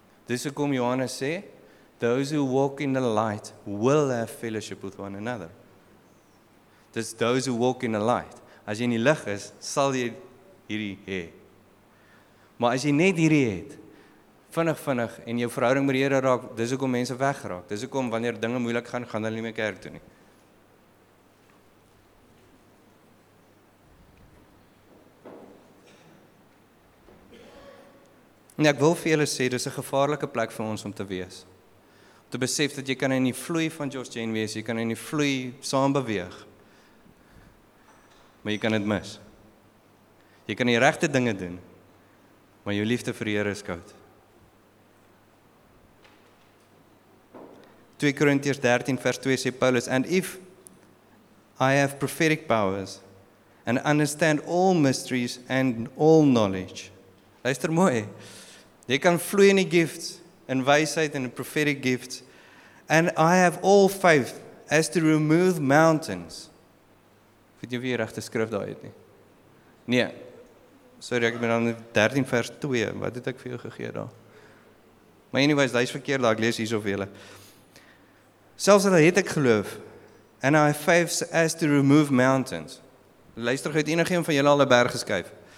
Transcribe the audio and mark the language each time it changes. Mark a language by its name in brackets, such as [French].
[Afrikaans] Dis hoe kom Johannes sê, [English] those who walk in the light will have fellowship with one another. [Afrikaans] Dis [English] those who walk in the light. [Afrikaans] As jy in die lig is, sal jy hierdie hê. Maar as jy net hierdie het, vinnig, en jou verhouding met die Here raak, dis hoe kom mense wegraak. Dis hoe kom wanneer dinge moeilik gaan, gaan hulle nie meer kerk toe nie. En ek wil vir julle sê, dis 'n gevaarlike plek vir ons om te wees. Om te besef dat jy kan in die vloei van George Jane wees, jy kan in die vloei saam beweeg. Maar jy kan dit mis. Jy kan die regte dinge doen, maar jou liefde vir die Here is koud. 2 Korintiërs 13 vers 2 sê Paulus, [English] and if I have prophetic powers and understand all mysteries and all knowledge. [Afrikaans] Luister mooi. Jy kan vloei in die gifts, in wysheid en in prophetic gifts. [English] And I have all faith as to remove mountains. [Afrikaans] Ek weet nie of jy regte skrif daar het nie. Nee. Sorry, ek ben dan 13 vers 2. Wat het ek vir jou gegee daar? Maar anyways, dit is verkeerd dat ek lees hier so vir julle. Selfs al het ek geloof. [English] And I have faith as to remove mountains. [Afrikaans] Luister, het enige een van julle al 'n berg geskuif?